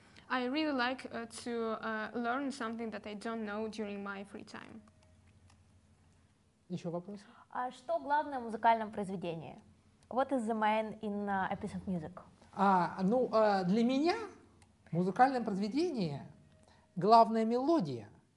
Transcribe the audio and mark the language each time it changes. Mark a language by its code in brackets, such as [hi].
[en] I really like to learn something that I don't know during my free time. [ru] Еще вопрос? А что главное в музыкальном произведении? [en] What is the main in a piece of music? [ru] Для меня в музыкальном произведении главная мелодия.